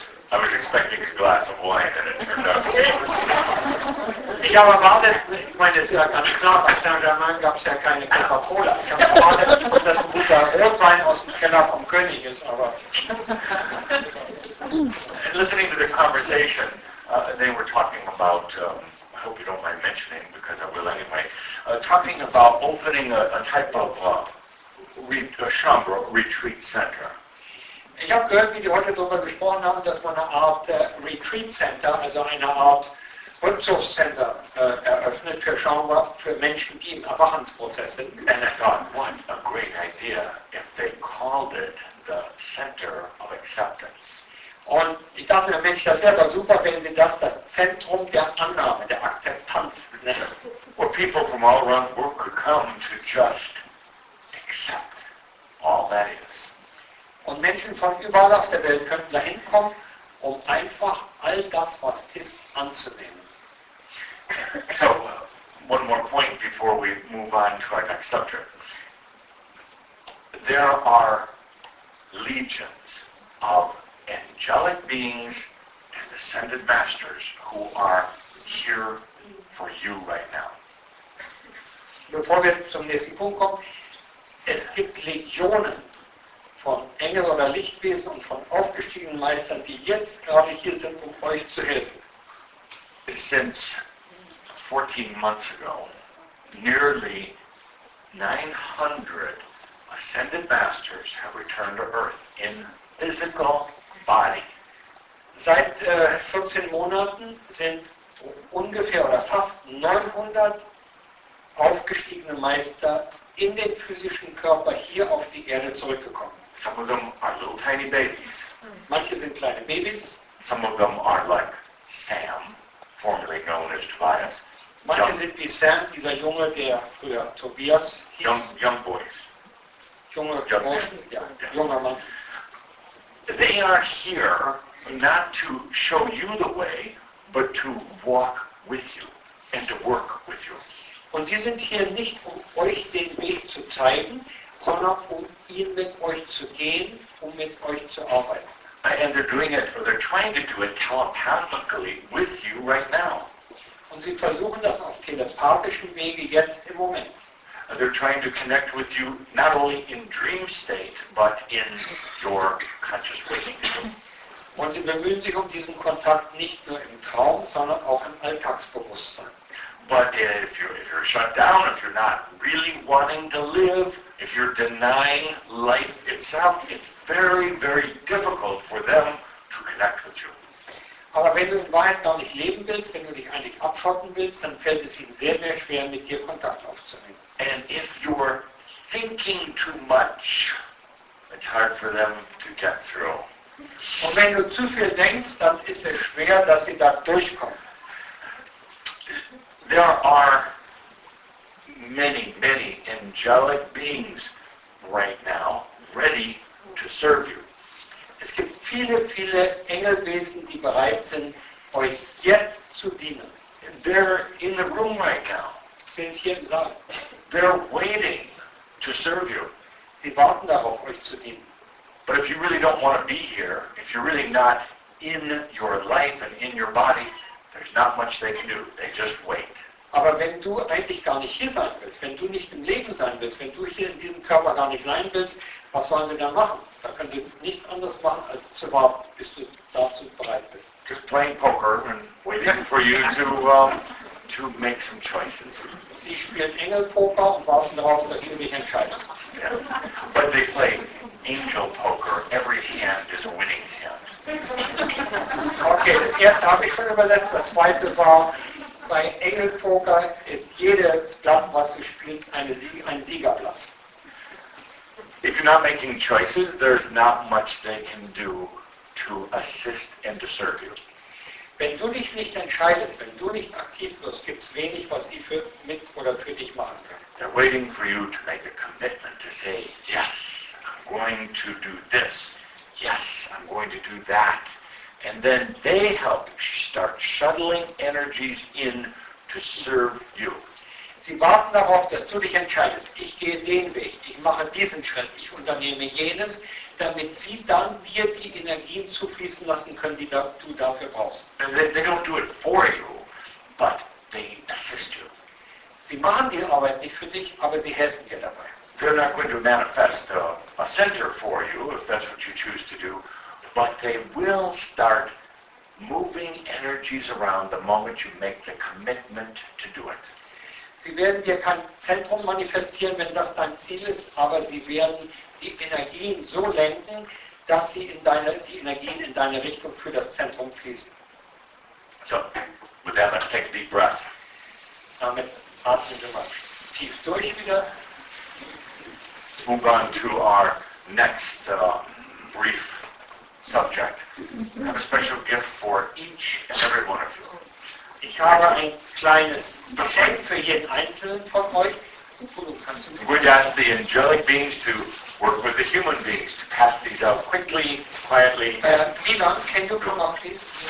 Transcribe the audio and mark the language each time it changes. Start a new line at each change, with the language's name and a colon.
English: I was expecting a glass of wine and it turned out okay.
German: Ich habe erwartet, ich meine, es ist ja ganz klar, bei San Germain gab es ja keine Coca-Cola. Ich habe erwartet, dass ein guter Rotwein aus dem Keller vom König ist, aber.
English: And listening to the conversation, they were talking about, I hope you don't mind mentioning, because I will anyway, talking about opening a type of retreat center.
German: Ich habe gehört, wie die heute darüber gesprochen haben, dass man eine Art Retreat Center, also eine Art Rückzugscenter eröffnet für Chambre, für Menschen, die im Erwachensprozess sind.
English: And I thought, what a great idea if they called it the Center of Acceptance.
German: Und ich dachte mir, Mensch, das wäre doch super, wenn sie das Zentrum der Annahme, der Akzeptanz nennen.
English: Where people from all around the world could come to just accept all that is.
German: Und Menschen von überall auf der Welt könnten da hinkommen, um einfach all das, was ist, anzunehmen.
English: So, one more point before we move on to our next subject. There are legions of angelic beings and ascended masters who are here for you right now.
German: Bevor wir zum nächsten Punkt kommen, es gibt Legionen von Engel oder Lichtwesen und von aufgestiegenen Meistern, die jetzt gerade hier sind, um euch zu helfen.
English: Since 14 months ago, nearly 900 ascended masters have returned to Earth in physical body.
German: Seit 14 Monaten sind ungefähr oder fast 900 aufgestiegene Meister in den physischen Körper hier auf die Erde zurückgekommen.
English: Some of them are little tiny babies.
German: Manche sind kleine Babys.
English: Some of them are like Sam, formerly known as Tobias.
German: Manche
English: young,
German: sind wie Sam, dieser Junge, der früher Tobias hieß.
English: Young boys.
German: Junge Burschen, ja, junger Mann.
English: They are here not to show you the way, but to walk with you and to work with you.
German: Und sie sind hier nicht, um euch den Weg zu zeigen, sondern um ihn mit euch zu gehen, um mit euch zu arbeiten.
English: And they're doing it, or they're trying to do it telepathically with you right now.
German: Und sie versuchen das auf telepathischen Wege jetzt im Moment.
English: They're trying to connect with you not only in dream state, but in your conscious waking state.
German: Und sie bemühen sich um diesen Kontakt nicht nur im Traum, sondern auch im Alltagsbewusstsein.
English: But if you're shut down, if you're not really wanting to live, if you're denying life itself, it's very, very difficult for them to connect with you.
German: Aber wenn du in Wahrheit gar nicht leben willst, wenn du dich eigentlich abschotten willst, dann fällt es ihnen sehr, sehr schwer, mit dir Kontakt aufzunehmen.
English: And if you're thinking too much, it's hard for them to get through.
German: Und wenn du zu viel denkst, dann ist es schwer, dass sie da durchkommen.
English: There are many, many angelic beings right now ready to serve you.
German: Es gibt viele, viele Engelwesen, die bereit sind, euch jetzt zu dienen.
English: They're in the room right now.
German: Sind hier im Saal.
English: They're waiting to serve you.
German: Sie warten darauf, euch zu dienen.
English: But if you really don't want to be here, if you're really not in your life and in your body, there's not much they can do. They just wait.
German: Aber wenn du eigentlich gar nicht hier sein willst, wenn du nicht im Leben sein willst, wenn du hier in diesem Körper gar nicht sein willst, was sollen sie dann machen? Da können sie nichts anderes machen, als zu warten, bis du dazu bereit bist.
English: Just playing poker and waiting for you to make some choices.
German: Sie spielen Engelpoker und warten darauf, dass du dich entscheidest.
English: Yes. But they play angel poker. Every hand is a winning hand.
German: Okay, das erste habe ich schon übersetzt. Das zweite war, bei Engelpoker ist jedes Blatt, was du spielst, ein Siegerblatt.
English: If you're not making choices, there's not much they can do to assist and to serve you.
German: Wenn du dich nicht entscheidest, wenn du nicht aktiv wirst, gibt es wenig, was sie für mit oder für dich machen können.
English: They're waiting for you to make a commitment to say, yes, I'm going to do this. Yes, I'm going to do that. And then they help start shuttling energies in to serve you.
German: Sie warten darauf, dass du dich entscheidest. Ich gehe den Weg, ich mache diesen Schritt, ich unternehme jenes, damit sie dann dir die Energien zufließen lassen können, die du dafür brauchst.
English: And they don't do it for you, but they assist you.
German: Sie machen die Arbeit nicht für dich, aber sie helfen dir dabei.
English: They're not going to manifest a center for you, if that's what you choose to do, but they will start moving energies around the moment you make the commitment to do it.
German: Sie werden dir kein Zentrum manifestieren, wenn das dein Ziel ist, aber sie werden die Energien so lenken, dass sie die Energien in deine Richtung für das Zentrum fließen.
English: So, with that, let's take a deep breath.
German: Damit atmen wir mal tief durch wieder.
English: Move on to our next brief subject. I have a special gift for each and every one of you.
German: Ich habe ein kleines Geschenk für jeden Einzelnen von euch.
English: I'm going to ask the angelic beings to work with the human beings to pass these out quickly, quietly. Milan, can you come up, please?